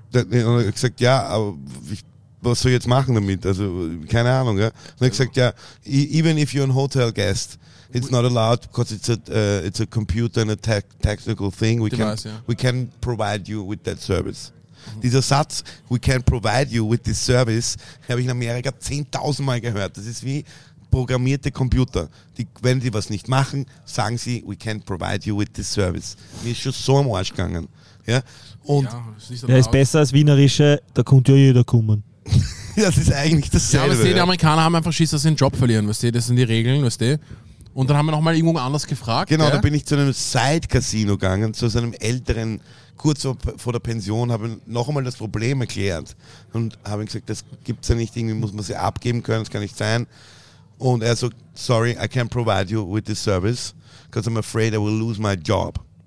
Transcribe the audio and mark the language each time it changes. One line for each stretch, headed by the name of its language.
German: aber was soll ich jetzt machen damit? Also, keine Ahnung, ja. Und er gesagt, ja,
English: even if you're a hotel guest, it's not allowed, because it's a computer and a technical thing. We can't provide you with that service.
German: Dieser Satz,
English: we can't provide you with this service,
German: habe ich in Amerika 10.000 Mal gehört. Das ist wie programmierte Computer. Wenn die was nicht machen, sagen sie,
English: we can't provide you with this service.
German: Mir ist schon so am Arsch gegangen, ja. Und ja, ist besser als Wienerische, da könnt ihr jeder kommen. das ist eigentlich dasselbe. Ja, aber weißt du, die Amerikaner haben einfach Schiss, dass sie den Job verlieren, weißt du, das sind die Regeln, weißt du. Und dann haben wir nochmal irgendwo anders gefragt. Genau, gell? Da bin ich zu einem Side-Casino gegangen, zu einem älteren, kurz vor der Pension, habe noch einmal das Problem erklärt und habe gesagt, das gibt's ja nicht, irgendwie muss man sie abgeben können, das kann nicht sein. Und er so,
English: sorry, I can't provide you with this service, because I'm afraid I will lose my job.